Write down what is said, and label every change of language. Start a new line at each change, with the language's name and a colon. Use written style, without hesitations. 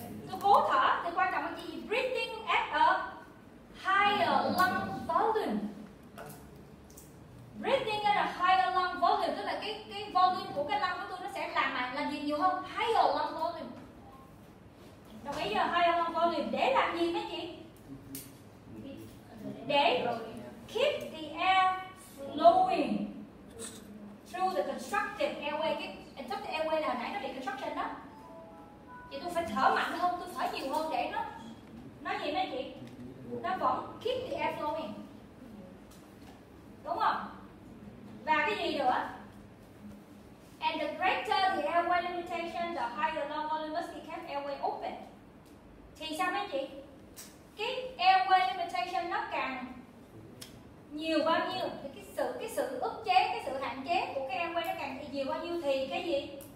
Vietnamese: Tôi cố thở thì quan trọng là gì?
English: Breathing at a higher lung volume. Breathing at a higher lung volume
Vietnamese: tức là cái volume của cái lung của tôi nó sẽ làm gì nhiều hơn?
English: Higher lung volume.
Vietnamese: Đồng ý giờ
English: higher lung volume
Vietnamese: để làm gì mấy chị? Để
English: keep the air flowing through the constructive airway.
Vietnamese: Cái constructive airway là hồi nãy nó bị constriction đó. Vậy tôi phải thở mạnh hơn, tôi thở nhiều hơn để nó nói gì mấy chị? Nó vẫn
English: keep the air flowing.
Vietnamese: Đúng không? Và cái gì nữa?
English: And the greater the airway limitation, the higher the lung volume must be kept airway open.
Vietnamese: Thì sao mấy chị? Cái airway limitation nó càng nhiều bao nhiêu thì cái sự ức chế, cái sự hạn chế của cái airway nó càng nhiều bao nhiêu thì cái gì?